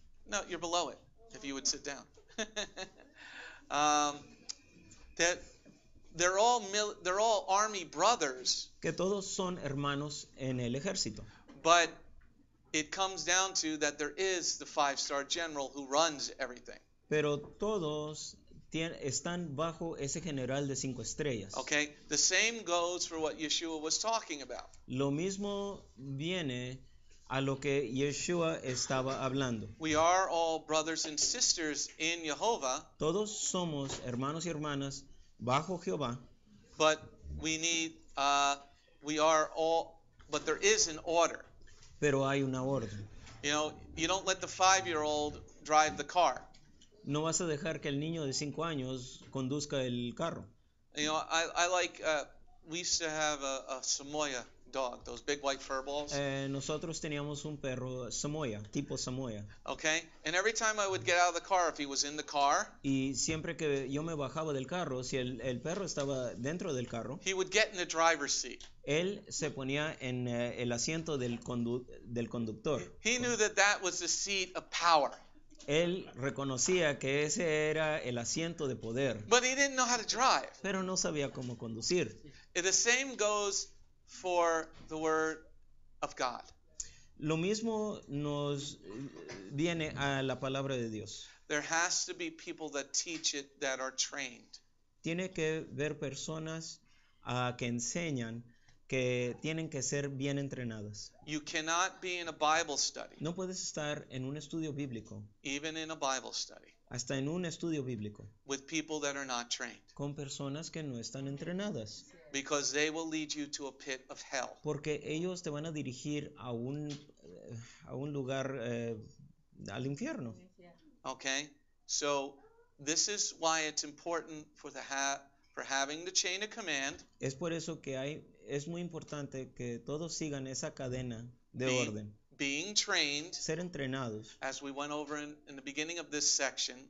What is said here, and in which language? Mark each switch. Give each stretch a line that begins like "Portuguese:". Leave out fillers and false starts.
English: No, you're below it, if you would sit down. that they're all army brothers.
Spanish: Que todos son hermanos en el ejército.
English: But it comes down to that there is the five-star general who runs everything.
Spanish: Pero todos están bajo ese general de cinco estrellas.
English: Okay, the same goes for what Yeshua was talking about.
Spanish: Lo mismo viene a lo que Yeshua estaba hablando.
English: We are all brothers and sisters in Jehovah.
Spanish: Todos somos hermanos y hermanas bajo Jehová.
English: But we need, we are all, but there is an order.
Spanish: Pero hay una orden.
English: You know, you don't let the five-year-old drive the car.
Spanish: No vas a dejar que el niño de 5 años conduzca el carro.
English: You know, I like, we used to have a Samoya dog, those big white fur balls.
Spanish: Nosotros teníamos un perro Samoya, tipo Samoya.
English: Okay, and every time I would get out of the car, if he was in the car,
Spanish: y siempre que yo me bajaba del carro, si el perro estaba dentro del carro,
English: he would get in the driver's seat.
Spanish: Él se ponía en el asiento del conductor.
English: He knew that that was the seat of power.
Spanish: Él reconocía que ese era el asiento de poder.
English: But he didn't know how to drive.
Spanish: Pero no sabía cómo conducir.
English: The same goes for the word of God.
Spanish: Lo mismo nos viene a la palabra de Dios.
English: There has to be people that teach it that are trained.
Spanish: Tiene que ver personas que enseñan, que tienen que ser bien entrenadas.
English: You cannot be in a Bible study.
Spanish: No puedes estar en un estudio bíblico.
English: Even in a Bible study.
Spanish: Hasta en un estudio bíblico.
English: With people that are not trained.
Spanish: Con personas que no están entrenadas.
English: Because they will lead you to a pit of hell.
Spanish: Porque ellos te van a dirigir a un lugar al infierno.
English: Okay. So this is why it's important for having the chain of command.
Spanish: Es por eso que es muy importante que todos sigan esa cadena de orden.
English: Being trained,
Spanish: ser entrenados,
English: as we went over in the beginning of this section,